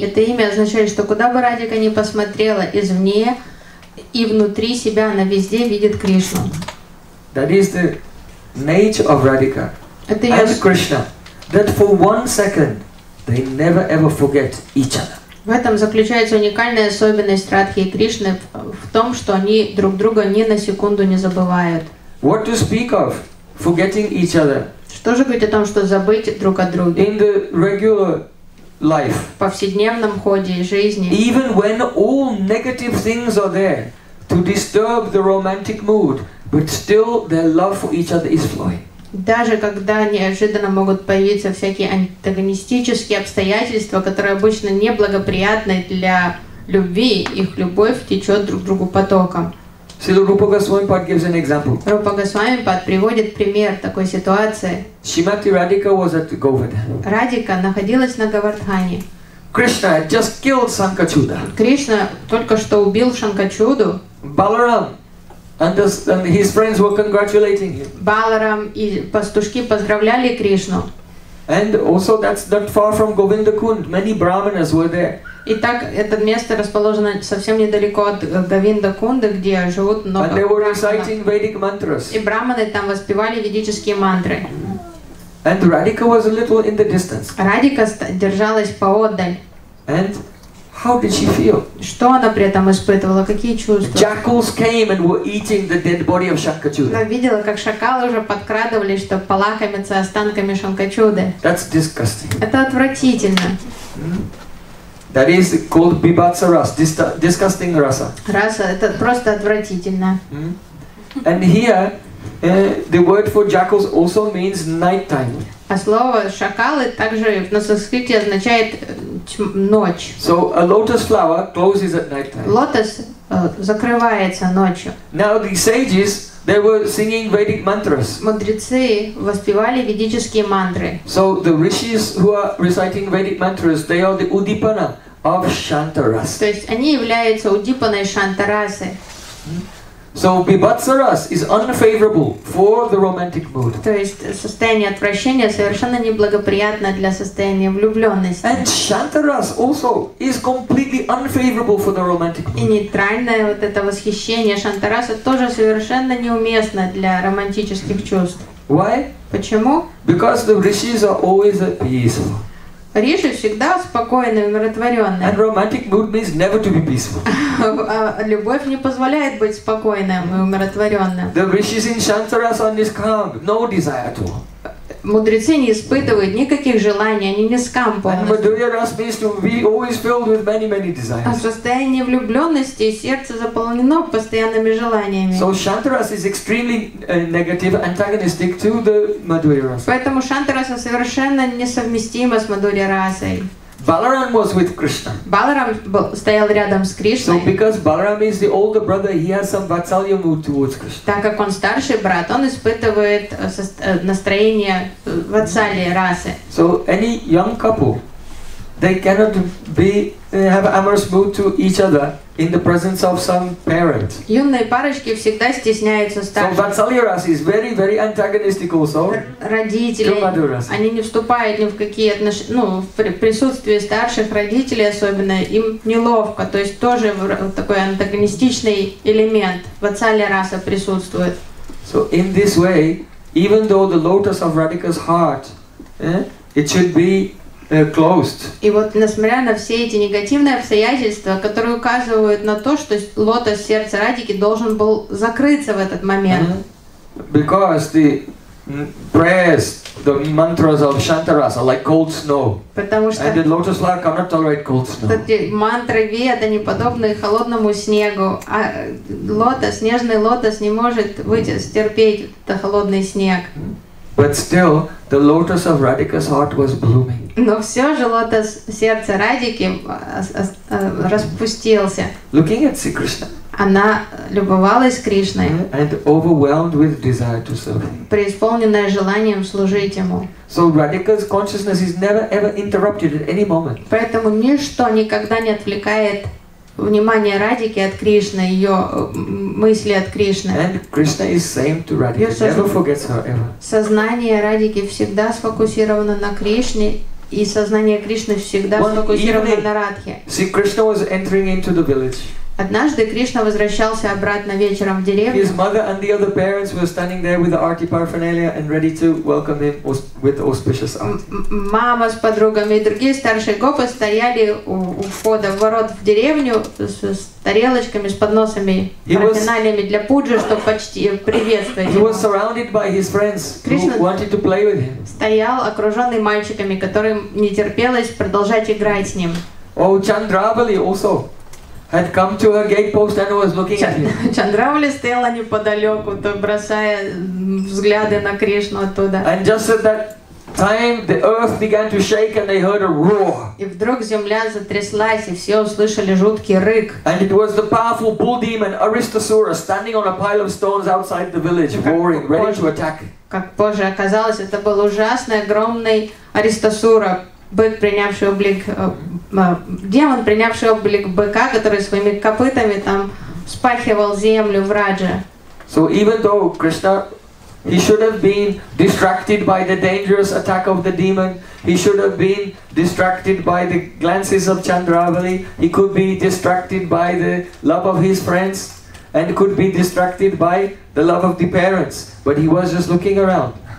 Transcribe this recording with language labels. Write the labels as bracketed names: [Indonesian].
[Russian] Это имя означает, что куда бы Радика ни посмотрела, извне и внутри себя она везде видит Кришну. [English] That is the nature of Radhika and Krishna. That for one second they never ever forget each other. [Russian] В этом заключается уникальная особенность Радхи и Кришны в том, что они друг друга ни на секунду не забывают. [English] What to speak of forgetting each other? [Russian] Что же говорить о том, что забыть друг о друге? [English] In the regular life. [Russian] В повседневном ходе жизни. [English] Even when all negative things are there to disturb the romantic mood, but still their love for each other is flowing. [Russian] Даже когда неожиданно могут появиться всякие антагонистические обстоятельства, которые обычно неблагоприятны для любви, их любовь течет друг к другу потоком. [English] Srila Rupa Goswamipad gives an example. [Russian] Rupa Goswamipad приводит пример такой ситуации. [English] Shrimati Radhika was at Govardhan. [Russian] Radhika находилась на Говардхане. [English] Krishna had just killed Shankachuda. [Russian] Krishna только что убил Шанкачуду. [English] Balaram and his friends were congratulating him. [Russian] Balaram и пастушки поздравляли Кришну. [English] And also that's not far from Govindakund. Many brahmanas were there. [Russian] Итак, это место расположено совсем недалеко от Говиндакунды, где живут много брахманов. И брахманы там воспевали ведические мантры. [English] And Radhika was a little in the distance. [Russian] Радика держалась поодаль. [English] And how did she feel? [Russian] Что она при этом испытывала? Какие чувства? [English] Jackals came and were eating the dead body of Shankachuda. [Russian] Она видела, как шакалы уже подкрадывались, чтобы полакомиться останками Шанкачуды. [English] That's disgusting. [Russian] Это отвратительно. [English] That is called bibhatsa rasa, disgusting rasa. [Russian] Rasa – это просто отвратительно. [English] And here, the word for jackals also means nighttime. [Russian] А слово шакалы также на санскрите означает ночь. [English] So a lotus flower closes at nighttime. [Russian] Лотос закрывается ночью. [English] Now the sages, they were singing Vedic mantras. [Russian] Мудрецы воспевали ведические мантры. [English] So the rishis who are reciting Vedic mantras, they are the udipana of Shantaras. [Russian] То есть они являются удипаной Шантарасы. [English] So bibhatsaras is unfavorable for the romantic mood. [Russian] То есть состояние отвращения совершенно неблагоприятно для состояния влюбленности. [English] And Shantaras also is completely unfavorable for the romantic mood. [Russian] И нейтральное вот это восхищение Шантараса тоже совершенно неуместно для романтических чувств. [English] Why? [Russian] Почему? [English] Because the rishis are always at peace. [Russian] Риши всегда спокойны, умиротворенны. [English] And romantic mood means never to be peaceful. [Russian] Любовь не позволяет быть спокойным и умиротворенным. [English] The rishis in Shantaras are calm, no desire at all. [Russian] Мудрецы не испытывают никаких желаний, они не скампу. А состояние влюбленности и сердце заполнено постоянными желаниями. [English] So Shantaras is extremely negative, antagonistic to the Madhurirasa. [Russian] Поэтому Шантараса совершенно несовместима с Мадхурирасой. [English] Balaram was with Krishna. [Russian] Balaram стоял рядом с Кришной. [English] So because Balaram is the older brother, he has some vatsalya mood towards Krishna. [Russian] Так как он старший брат, он испытывает настроение ватсалья расы. [English] So any young couple, they cannot be have amorous mood to each other in the presence of some parent. [Russian] Юные парочки всегда стесняются старших. [English] So vatsalya rasa is very, very antagonistic also. [Russian] Родители, они не вступают ни в какие отношения, ну, в присутствии старших родителей особенно, им неловко, то есть тоже такой антагонистичный элемент vatsalya rasa присутствует. [English] So in this way, even though the lotus of Radhika's heart, it should be closed. [Russian] И вот несмотря на все эти негативные обстоятельства, которые указывают на то, что лотос сердца Радики должен был закрыться в этот момент. [English] Because the prayers, the mantras of Shantaras are like cold snow. [Russian] Потому что [English] and the lotus flower cannot tolerate cold snow. [Russian] Мантры Веда не подобны холодному снегу, а лотос, нежный лотос не может стерпеть этот холодный снег. [English] But still, the lotus of Radhika's heart was blooming. [Russian] Но все же лотос сердца Радики распустился. [English] Looking at Sri Krishna. [Russian] Она любовалась Кришной. [English] And overwhelmed with desire to serve him. [Russian] Преисполненная желанием служить ему. [English] So Radhika's consciousness is never ever interrupted at any moment. [Russian] Поэтому ничто никогда не отвлекает внимание Радики от Кришны, ее мысли от Кришны. [English] And Krishna is same to Radhika. Never forgets her ever. [Russian] Сознание Радики всегда сфокусировано на Кришне, и сознание Кришны всегда сфокусировано на Радхе. [English] See, Krishna was entering into the village. [Russian] Однажды Кришна возвращался обратно вечером в деревню. [English] His mother and the other parents were standing there with the arti paraphernalia and ready to welcome him with auspicious arti. [Russian] Мама с подругами и другие старшие гопы стояли у входа в ворот в деревню с тарелочками, с подносами, парафиналиями для пуджи, чтобы почти приветствовать. [English] He was surrounded by his friends who wanted to play with him. [Russian] Стоял окруженный мальчиками, которым не терпелось продолжать играть с ним. [English] Oh, Chandravali also had come to her gatepost and was looking at him. [Russian] Чандравали стояла неподалеку, то бросая взгляды на Кришну оттуда. [English] And just at that time, the earth began to shake and they heard a roar. [Russian] И вдруг земля затряслась, и все услышали жуткий рык. [English] And it was the powerful bull demon Aristasura standing on a pile of stones outside the village, roaring, ready to attack. [Russian] Как позже оказалось, это был ужасный, огромный Аристасура. Бык, принявший облик, демон, принявший облик быка, который своими копытами там вспахивал землю в Раджа. [English] So even though Krishna, he should have been distracted by the dangerous attack of the demon, he should have been distracted by the glances of Chandravali, he could be distracted by the love of his friends, and could be distracted by the love of the parents, but he was just looking around.